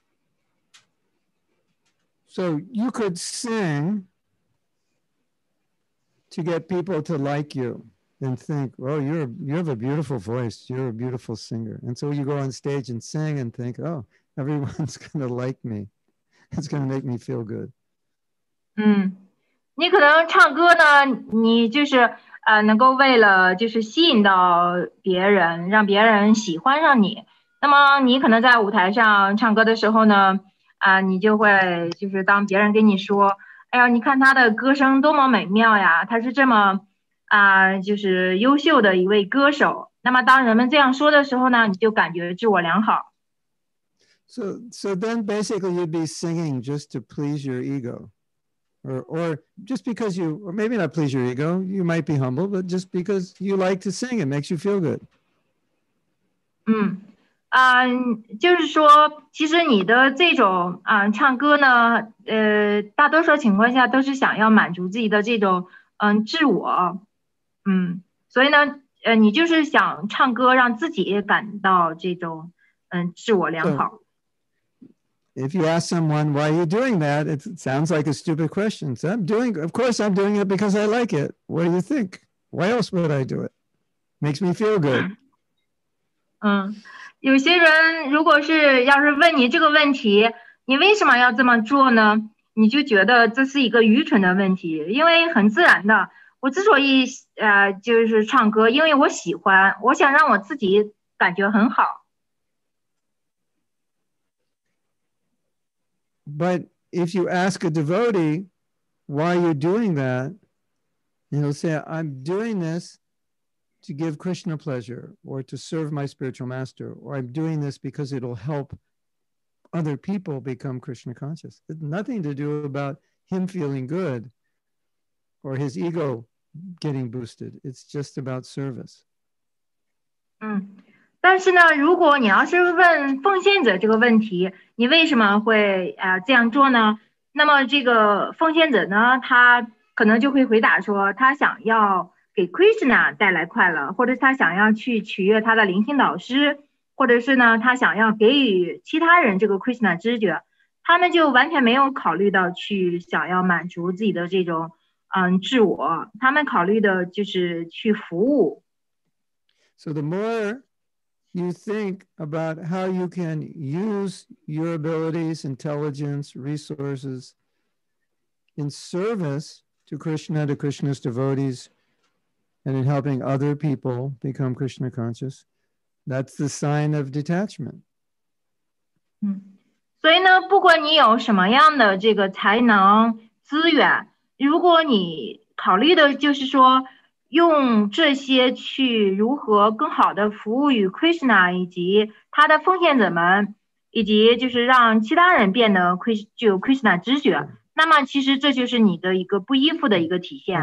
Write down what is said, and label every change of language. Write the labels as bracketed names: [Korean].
[Chinese] 就比如说这个你喜欢那个唱歌。 [English] So you could sing to get people to like you and think, oh, you have a beautiful voice, you're a beautiful singer. And so you go on stage and sing and think, oh, everyone's going to like me. It's going to make me feel good. [Chinese] 你可能唱歌呢，你就是。能够为了就是吸引到别人，让别人喜欢上你。那么你可能在舞台上唱歌的时候呢，你就会就是当别人跟你说，哎呀，你看他的歌声多么美妙呀！他是这么啊、就是优秀的一位歌手。那么当人们这样说的时候呢，你就感觉自我良好。 [English] So then basically you'd be singing just to please your ego, or just because you, or maybe not please your ego. You might be humble, but just because you like to sing, it makes you feel good. [Chinese] 嗯，就是说，其实你的这种唱歌呢，大多数情况下都是想要满足自己的这种自我，所以呢，你就是想唱歌让自己感到这种自我良好。 [English] If you ask someone, why are you doing that? It sounds like a stupid question. So of course I'm doing it because I like it. What do you think? Why else would I do it? Makes me feel good. [Chinese] 有些人如果是要是问你这个问题，你为什么要这么做呢？你就觉得这是一个愚蠢的问题，因为很自然的，我之所以就是唱歌，因为我喜欢，我想让我自己感觉很好。 [English] But if you ask a devotee why you're doing that, he'll say, I'm doing this to give Krishna pleasure or to serve my spiritual master, or I'm doing this because it'll help other people become Krishna conscious. It's nothing to do about him feeling good or his ego getting boosted. It's just about service. [Chinese] 但是呢，如果你要是问奉献者这个问题，你为什么会这样做呢？那么这个奉献者呢，他可能就会回答说，他想要给 Krishna 带来快乐，或者他想要去取悦他的灵性导师，或者是呢，他想要给予其他人这个 Krishna 知觉，他们就完全没有考虑到去想要满足自己的这种自我，他们考虑的就是去服务。 [English] So the more you think about how you can use your abilities, intelligence, resources in service to Krishna, to Krishna's devotees, and in helping other people become Krishna conscious, that's the sign of detachment. [Chinese] 所以呢，不管你有什么样的这个才能、资源，如果你考虑的就是说用这些去如何更好的服务于 Krishna 以及他的奉献者们，以及就是让其他人变得具有 Krishna 知觉，那么其实这就是你的一个不依附的一个体现。